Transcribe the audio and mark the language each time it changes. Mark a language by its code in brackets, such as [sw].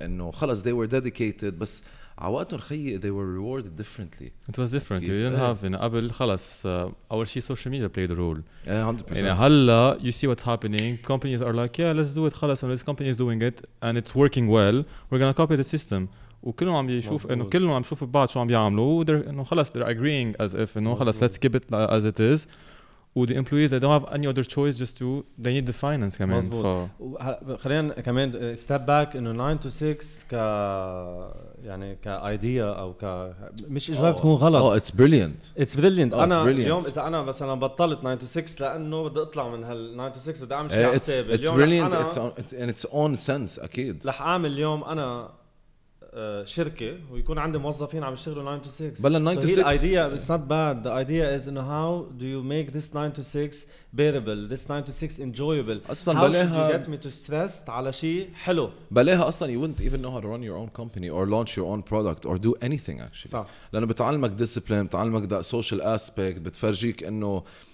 [ar] انه خلص [en] they were dedicated [ar] بس عواتهم خي [en] they were rewarded differently. It was different. You didn't have in [ar] قبل خلص أول شيء [en] social media played a role. Yeah, 100%. [ar] يعني هلا [en] you see what's happening. Companies are like yeah let's do it [ar] خلص [en] and this company is doing it and it's working well. We're gonna copy the system. [ar] وكلهم عم يشوف إنه كلهم عم يشوفوا بعض شو عم يعملوا. [en] They're [ar] إنه خلص [en] they're agreeing as if إنه خلص let's keep it as it is. و the employees they don't have any other choice just to they need the finance [ar] كمان. خلينا كمان [en] step back [ar] إنه 9 to 6 ك يعني ك idea أو ك مش إجابة تكون غلط. [en] Oh it's brilliant. [ar] أنا اليوم إذا أنا مثلاً بطلت 9 to 6 لأنه بدي أطلع من هال 9 to 6 بدي أعمل شيء أحسابي. [en] It's brilliant. It's in its own sense [ar] أكيد. لح أعمل اليوم أنا شركة ويكون عندي موظفين عم يشتغلوا 9 to 6. بلا 9 to 6. [en] The idea is not bad. The idea is in how do you make this 9 to 6 bearable, this 9 to 6 enjoyable. [ar] أصلاً [en] how should you get me to stressed [ar] على شيء حلو. بلاها أصلاً [en] you wouldn't even know how to run your own company or launch your own product or do anything actually. [ar] صح. لأنه بتعلمك discipline, بتعلمك [en] that social aspect, [ar] بتفرجيك إنه